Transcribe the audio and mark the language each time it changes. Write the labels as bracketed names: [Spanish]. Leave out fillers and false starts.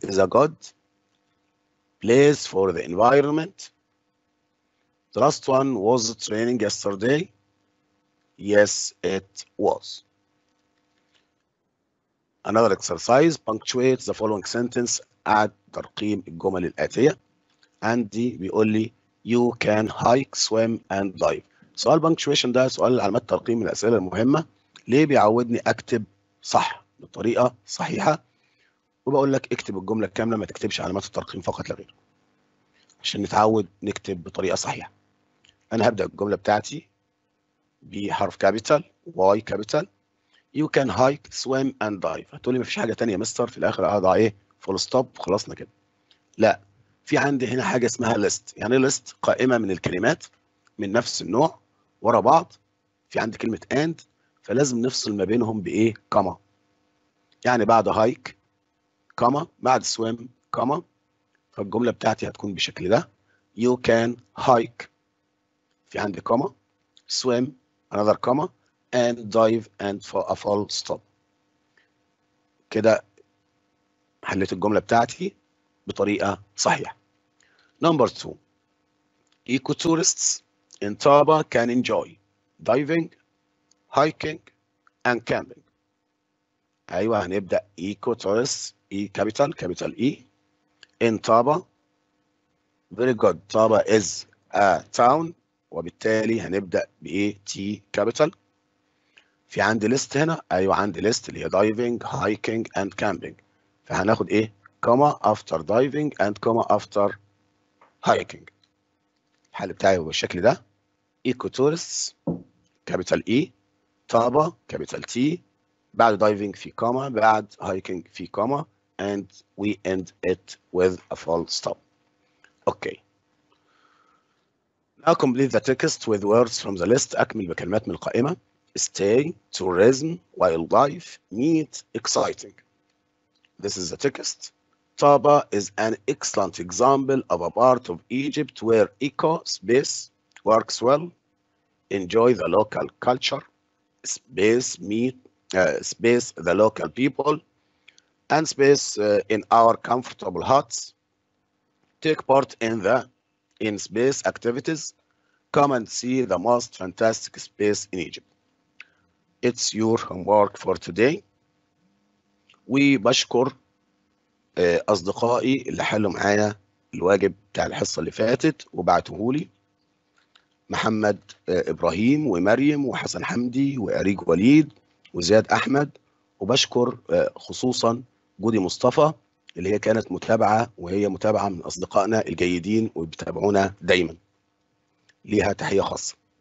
[English] Is a good place for the environment. The last one was the training yesterday. Yes, it was. Another exercise. Punctuate the following sentence. Add [Arabic] ترقيم الجمل الآتية. [English] Andy [Arabic] بيقول لي [English] you can hike, swim and dive. [Arabic] سؤال punctuation ده سؤال علامات ترقيم من الأسئلة المهمة. ليه بيعودني أكتب صح بطريقة صحيحة؟ وبقول لك اكتب الجملة كاملة ما تكتبش علامات الترقيم فقط لغير، عشان نتعود نكتب بطريقة صحيحة. أنا هبدأ الجملة بتاعتي بحرف كابيتال Y كابيتال. [English] You can hike, swim and dive. [Arabic] هتقول لي ما فيش حاجة تانية يا مستر في الآخر أضع إيه؟ فول ستوب خلصنا كده. لا، في عندي هنا حاجة اسمها list، يعني list قائمة من الكلمات من نفس النوع ورا بعض، في عندي كلمة and، فلازم نفصل ما بينهم بإيه؟ comma. يعني بعد [English] hike comma، [Arabic] بعد [English] swim comma، [Arabic] فالجملة بتاعتي هتكون بشكل ده: [English] you can hike، [Arabic] في عندي [English] comma، swim another comma، and dive and for a full stop. [Arabic] كده حليت الجملة بتاعتي بطريقة صحيحة. [English] Number two: ecotourists in Taba can enjoy diving, hiking, and camping. [Arabic] أيوة، هنبدأ [English] ecotourists، e capital capital E in Taba. Very good. Taba is a town، [Arabic] وبالتالي هنبدأ بـ [English] T capital. [Arabic] في عندي list هنا، أيوة عندي list اللي هي diving, hiking, and camping. فهناخد إيه؟ [English] comma after diving and comma after hiking. [Arabic] الحل بتاعي هو بالشكل ده: [English] ecotourists capital E، طابة capital T، [Arabic] بعد [English] diving [Arabic] في [English] comma، بعد hiking في comma، and we end it with a full stop. Okay. Now complete the text with words from the list. [Arabic] أكمل بكلمات من القائمة: [English] stay, tourism, wildlife, meet, exciting. This is the text. Taba is an excellent example of a part of Egypt where eco space works well. Enjoy the local culture, space meet space the local people, and space in our comfortable huts. Take part in the in space activities. Come and see the most fantastic space in Egypt. It's your homework for today. We [Arabic] بشكر أصدقائي اللي حلوا معايا الواجب بتاع الحصة اللي فاتت وبعتهولي: محمد إبراهيم ومريم وحسن حمدي وأريج وليد وزياد أحمد، وبشكر خصوصا جودي مصطفى اللي هي كانت متابعة، وهي متابعة من أصدقائنا الجيدين وبتابعونا دايما، ليها تحية خاصة.